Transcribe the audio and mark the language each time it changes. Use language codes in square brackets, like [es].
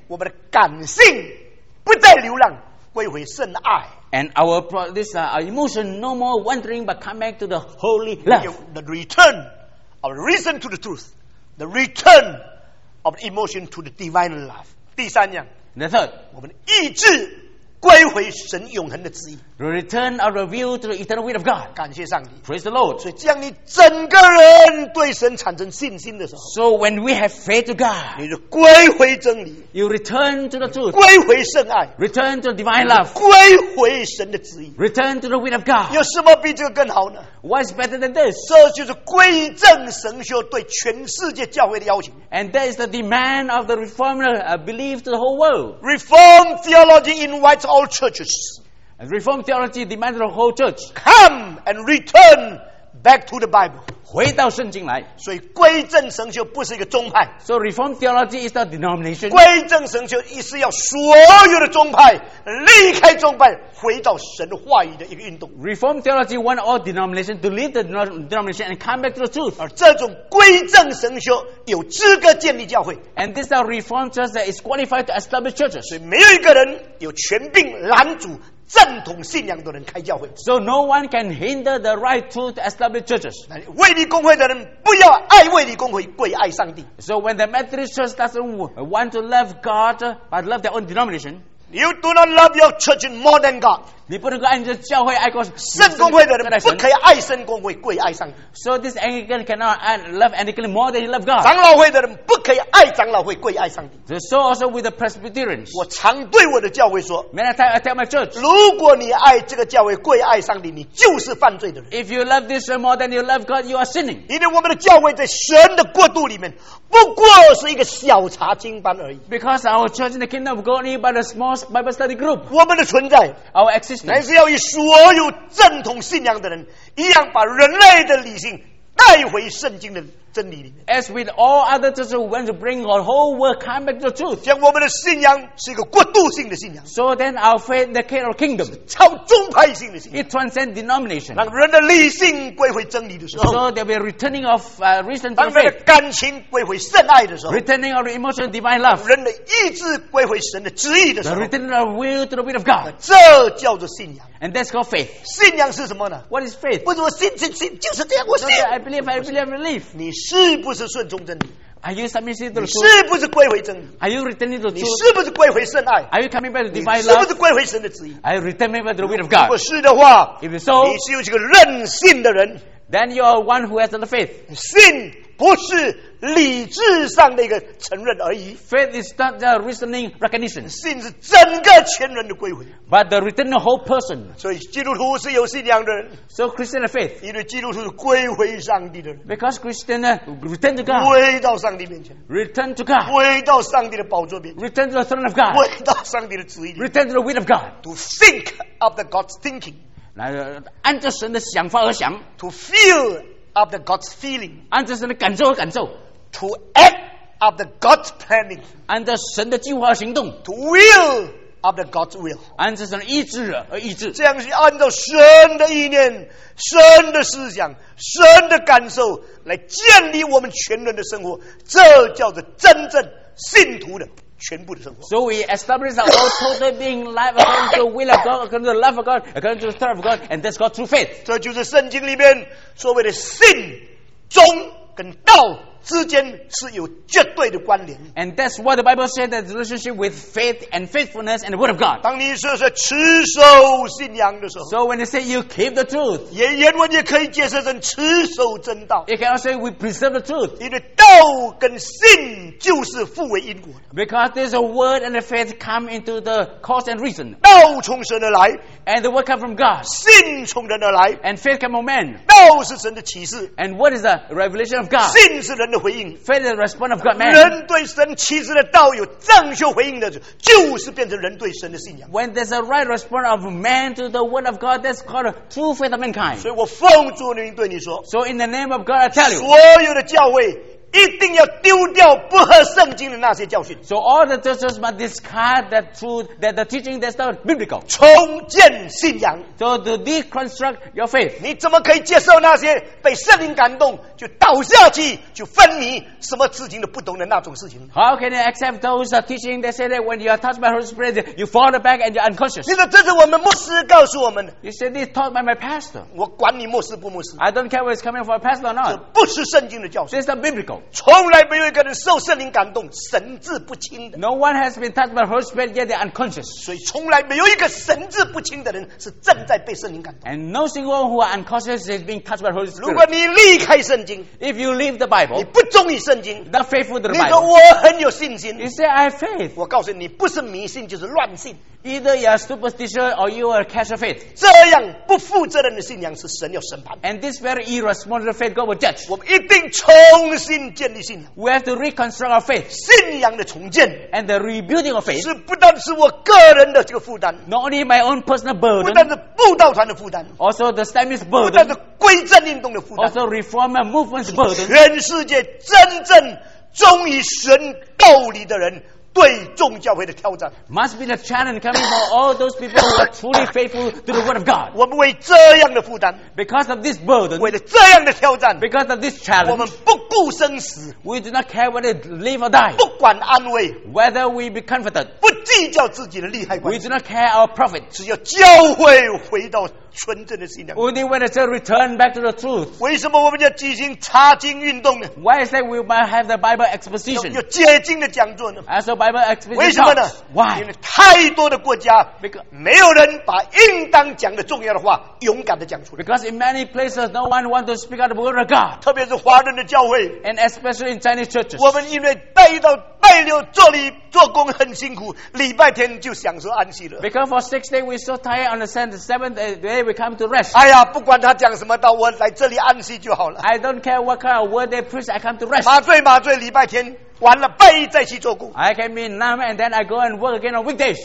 [zh] 我们的感性不再流浪，归回圣爱。 [en] And our emotion no more wandering but come back to the holy love. The return of reason to the truth. The return of emotion to the divine love. [zh] 第三样。 [en] The third. [zh] 我们意志归回神永恒的旨意。 [en] The return of the will to the eternal will of God. [zh] 感谢上帝。 [en] Praise the Lord. [zh] 所以这样你整个人对神产生信心的时候。 [en] So when we have faith to God. [zh] 你就归回真理。 [en] You return to the truth. [zh] 归回圣爱。 [en] Return to divine love. [zh] 归回神的旨意。 [en] Return to the will of God. [zh] 有什么比这个更好呢？ [en] What is better than this? [zh] 这就是归正神学对全世界教会的邀请。 [en] And that is the demand of the reformer belief to the whole world. Reform theology invites all churches. And Reform theology demands the whole church. Come and return back to the Bible. [zh] 回到圣经来。所以归正神学不是一个宗派。 [en] So Reform theology is not denomination. [zh] 归正神学意思要所有的宗派离开宗派，回到神话语的一个运动。 [en] Reform theology want all denomination to leave the denomination and come back to the truth. [zh] 而这种归正神学有资格建立教会。 [en] And this is a Reform church that is qualified to establish churches. [zh] 所以没有一个人有权柄拦阻正统信仰的人开教会。 [en] So no one can hinder the right to establish churches. [zh] 卫理公会的人不要爱卫理公会，归爱上帝。 [en] So when the Methodist church doesn't want to love God but love their own denomination. You do not love your church more than God. [zh] 你不能够爱你的教会爱过圣公会的人，不可以爱圣公会，归爱上帝。 [en] So this Anglican cannot love Anglican more than he love God. [zh] 长老会的人不可以爱长老会，归爱上帝。 [en] So also with the Presbyterians. [zh] 我常对我的教会说， [en] Many times I tell my church, [zh] 如果你爱这个教会，归爱上帝，你就是犯罪的人。 [en] If you love this more than you love God, you are sinning. [zh] 因为我们的教会在神的国度里面不过是一个小查经班而已。 [en] Because our church in the kingdom of God is but a small Bible study group. [zh] 我们的存在， [en] Our existence [zh] 乃是要与所有正统信仰的人一样，把人类的理性带回圣经的真理里面。 [en] As with all other churches, we want to bring our whole world come back to the truth. [zh] 像我们的信仰是一个国度性的信仰。 [en] So then our faith in the care of kingdom. [zh] 超宗派性的信仰。 [en] It transcends denomination. [zh] 让人的理性归回真理的时候。 [en] So there will be returning of reason to faith. [zh] 让人的感情归回圣爱的时候。 [en] Returning of the emotion of divine love. [zh] 人的意志归回神的旨意的时候。 [en] Returning of will to the will of God. [zh] 这叫做信仰。 [en] And that's called faith. [zh] 信仰是什么呢？ [en] What is faith? [zh] 不是我信就是这样，我信。 [en] No, I believe, I believe, I believe. [zh] 你是不是顺从真理？ [en] Are you submissive to the truth? [zh] 你是不是归回真理？ [en] Are you returning to the truth? [zh] 你是不是归回圣爱？ [en] Are you coming back to divine love? [zh] 你是不是归回神的旨意？ [en] Are you returning back to the will of God? [zh] 如果是的话， [en] If so, [zh] 你是有一个任性的人。 [en] Then you are one who has the faith. [zh] 信不是理智上的一个承认而已。 [en] Faith is not the reasoning recognition. [zh] 信是整个全人的归回。 [en] But the return the whole person. [zh] 所以基督徒是有信仰的人。 [en] So Christian have faith. [zh] 因为基督徒是归回上帝的人。 [en] Because Christian return to God. [zh] 归到上帝面前。 [en] Return to God. [zh] 归到上帝的宝座面前。 [en] Return to the throne of God. [zh] 归到上帝的旨意。 [en] Return to the will of God. To think of the God's thinking. [zh] 来按照神的想法而想。 [en] To feel of the God's feeling. [zh] 按照神的感受而感受。 [en] To act of the God's planning. [zh] 按照神的计划而行动。 [en] To will of the God's will. [zh] 按照神的意志而意志。这样是按照神的意念、神的思想、神的感受来建立我们全人的生活。这叫做真正信徒的全部的生活。 [en] So we establish our whole total being life according to the will of God, according to the love of God, according to the spirit of God, and that's God through faith. [zh] 这就是圣经里面所谓的信、忠跟道之间是有绝对的关联。 [en] And that's what the Bible says, the relationship with faith and faithfulness and the word of God. [zh] 当你说是持守信仰的时候。 [en] So when you say you keep the truth. [zh] 原文也可以解释成持守真道。 [en] You cannot say we preserve the truth. [zh] 因为道跟信就是互为因果的。 [en] Because there's a word and a faith come into the cause and reason. [zh] 道从神而来。 [en] And the word come from God. [zh] 信从人而来。 [en] And faith come from man. [zh] 道是神的启示。 [en] And what is the revelation of God? [zh] 信是人的回应。 [en] Faith is the response of God, man. [zh] 人对神启示的道有正确回应的，就是变成人对神的信仰。 [en] When there's a right response of man to the word of God, that's called a true faith of mankind. [zh] 所以我奉主的名对你说。 [en] So in the name of God, I tell you. [zh] 所有的教会一定要丢掉不合圣经的那些教训。 [en] So all the churches must discard that truth, that the teaching that's not biblical. [zh] 重建信仰。 [en] So to deconstruct your faith. [zh] 你怎么可以接受那些被圣灵感动就倒下去就昏迷什么事情都不懂的那种事情？ [en] How can you accept those teaching that say that when you are touched by Holy Spirit, you fall back and you're unconscious? [zh] 你说这是我们牧师告诉我们的。 [en] You said this taught by my pastor. [zh] 我管你牧师不牧师。 [en] I don't care whether it's coming from a pastor or not. [zh] 这不是圣经的教训。 [en] This is biblical. [zh] 从来没有一个人受圣灵感动神志不清的。 [en] No one has been touched by the Holy Spirit yet they're unconscious. [zh] 所以从来没有一个神志不清的人是正在被圣灵感动。 [en] And no single one who are unconscious is being touched by the Holy Spirit. [zh] 如果你离开圣经， [en] If you leave the Bible, [zh] 你不忠于圣经， [en] Not faithful to the Bible, [zh] 你说我很有信心， [en] You say I have faith, [zh] 我告诉你不是迷信就是乱信。 [en] Either you are superstitious or you are a casual faith. [zh] 这样不负责任的信仰是神要审判。 [en] And this very irresponsible faith God will judge. [zh] 我们一定重新建立信仰。 [en] We have to reconstruct our faith. [zh] 信仰的重建。 [en] And the rebuilding of faith. [zh] 是不但是我个人的这个负担。 [en] Not only my own personal burden. [zh] 不但是布道团的负担。 [en] Also the Stamis burden. [zh] 不但是归正运动的负担。 [en] Also reform and movement's burden. [zh] 全世界真正忠于神道理的人对众教会的挑战 [en] must be the challenge coming from all those people who are truly faithful to the word of God. [zh] 我们为这样的负担 [en] because of this burden, [zh] 为了这样的挑战 [en] because of this challenge, [zh] 我们不顾生死 [en] we do not care whether live or die, [zh] 不管安危 [en] whether we be confident, [zh] 不计较自己的利害关系 [en] we do not care our profit, [zh] 只要教会回到纯正的信仰 [en] only when it's a return back to the truth. [zh] 为什么我们要举行查经运动呢 [en] why is that we might have the Bible exposition? [zh] 有解经的讲座呢 [en] as a Bible exposition [zh] 为什么呢 [en] why? [zh] 因为太多的国家 [en] because, [zh] 没有人把应当讲的重要的话勇敢的讲出来 [en] because in many places no one wants to speak out the word of God. [zh] 特别是华人的教会 [en] and especially in Chinese churches. [zh] 我们因为带到拜六做礼做工很辛苦礼拜天就享受安息了 [en] because for 6 days we're so tired on the seventh day we come to rest [zh] 哎呀不管他讲什么道我来这里安息就好了 [en] I don't care what kind of word they preach I come to rest [zh] 麻醉麻醉礼拜天完了拜一再去做工 [en] I can be numb and then I go and work again on weekdays